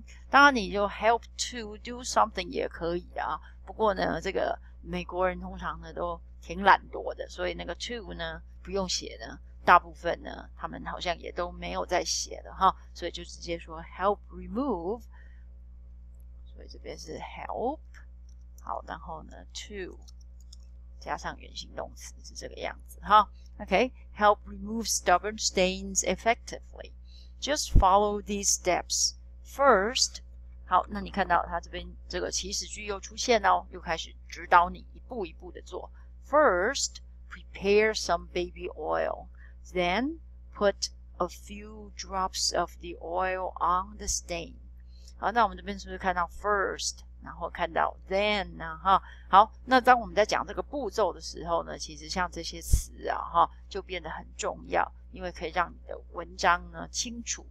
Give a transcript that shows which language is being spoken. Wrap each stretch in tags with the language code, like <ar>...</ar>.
<zh>然你就</zh> <en>help to do something</en> <zh>也可以啊，不过呢这个美国人通常呢都挺懒惰的，所以那个 to 呢不用写呢，大部分呢他们好像也都没有在写的哈，所以就直接说 help remove， 所以这边是 help， 好，然后呢 to 加上原形动词是这个样子哈。</zh> <en>Okay, help remove stubborn stains effectively. Just follow these steps.</en> <zh>First, 好，那你看到他这边这个祈使句又出现哦，又开始指导你一步一步的做。</zh> <en>First, prepare some baby oil. Then, put a few drops of the oil on the stain.</en> <zh>好，那我们这边是不是看到 first, 然后看到 then 呢、啊？哈。好，那当我们在讲这个步骤的时候呢，其实像这些词啊哈就变得很重要，因为可以让你的文章呢清楚。</zh>